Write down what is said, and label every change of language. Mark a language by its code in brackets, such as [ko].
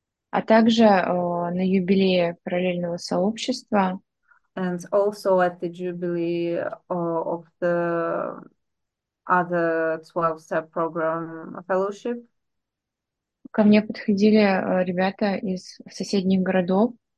[ru] А также на юбилее параллельного сообщества. [en] And also at the jubilee of the other 12-step program fellowship. [ru] Ко мне подходили ребята из соседних городов.